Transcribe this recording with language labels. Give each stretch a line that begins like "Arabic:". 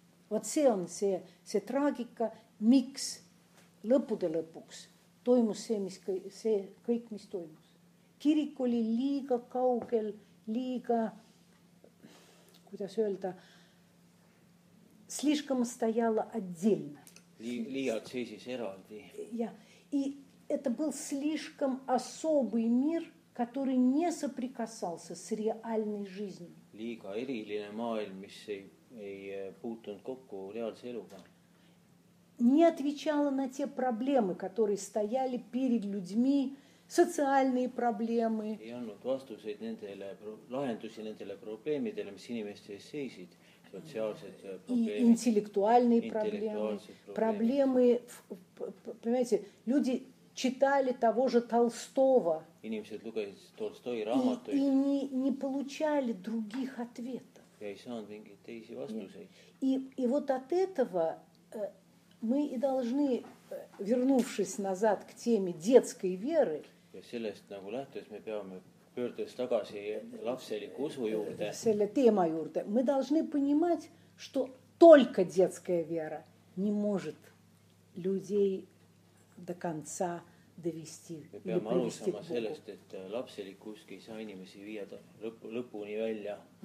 Estonian: Võt see on see traagika, miks lõpude lõpuks toimus see kõik, mis toimus. Kirik oli liiga kaugel, liiga, kuidas öelda,
Russian: slišкъм стояла отдельно.
Estonian: Liiga seisis eraldi.
Russian: Ja, это был slišкъм особый мир, который не соприкасался с реальной жизнью.
Estonian: Liiga eriline maailm, mis ei puutunud kokku reaalse eluga.
Russian: Не отвечала на те проблемы, которые стояли перед людьми, социальные проблемы.
Estonian: Ei olnud vastuseid nendele, lahendusi nendele probleemidele, mis inimeste ees seisid, sotsiaalsed probleemid.
Russian: Интеллектуальные проблемы. Проблемы, понимаете, люди читали того же Толстого.
Estonian: Inimesed lugesid Толстой raamatuid.
Russian: И не получали других ответов.
Estonian: Ja ei saanud mingid teisi vastuseid.
Russian: И вот от этого мы и должны, вернувшись назад к теме детской веры,
Estonian: ja sellest nagu lähtes me peame pöördes tagasi lapseliku usu juurde, selle teema juurde,
Russian: мы должны понимать, что только детская вера не может людей до конца довести.
Estonian: Me peame alusama sellest, et lapselik usk ei saa inimesi viia lõpuni välja.